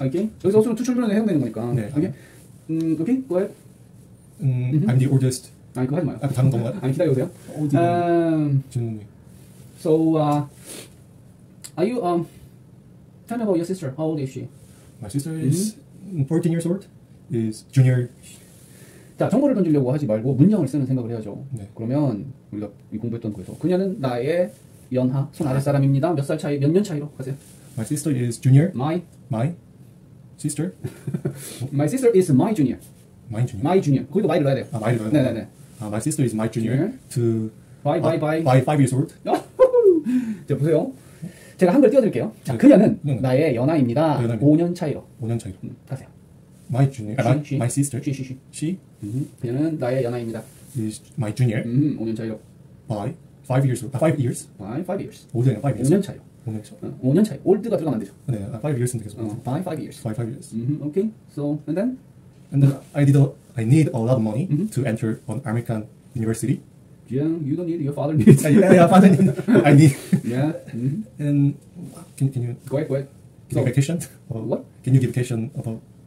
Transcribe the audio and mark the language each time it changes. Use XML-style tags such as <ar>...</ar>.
<ko>Okay. 여기서 also 두 children으로 해당되는 거니까. 네.</ko> <en>Okay. Okay, go ahead. Mm-hmm. I'm the oldest.</en> <ko>아니, 그거 하지 마요. 아, 다른 건가요? 아니, 기다려보세요. 질문이.</ko> <en>So, are you, tell me about your sister. How old is she? My sister is mm-hmm. 14 years old. Is junior.</en> <ko>자, 정보를 던지려고 하지 말고 문장을 쓰는 생각을 해야죠. 네. 그러면 우리가 공부했던 거에서 그녀는 나의 연하, 손 아래 사람입니다. 몇 살 차이, 몇 년 차이로 하세요.</ko> <en>My sister is junior. My sister. My sister is my junior. My junior. My junior.</en> <ko>거기도 my를 넣어야 돼요. 아, my를 넣어야 돼요.</ko> <en>네네네. 아, my sister is my junior. To by 5 years old.</en> <ko>자, 보세요. 제가 한글 띄워드릴게요. 자, 네. 그녀는 네. 나의 연하입니다. 연하입니다. 5년 차이로. 5년 차이로. 가세요.</ko> <en>My junior. My sister. She. Mm-hmm.</en> <ko>그녀는 나의 연하입니다.</ko> <en>Is my junior.</en> <ko>5년 차이로.</ko> <en>By 5 years old. 5 years. By 5 years. 5년, 5 years.</en> <ko>5년 차이로. 5년 차이로. 5년 차이로. 올드가 들어가면 안 되죠. 네,</ko> <en>5 years</en> <ko>는 계속.</ko> <en>By 5 years. By 5 years. Mm-hmm. Okay. So, and then? And then I need a lot of money mm-hmm. to enter an American university. Yeah, you don't need, your father needs. yeah, father needs. I need. Yeah. Mm-hmm. And can you? Go ahead. Can you give vacation? What? Can you give vacation about?</en>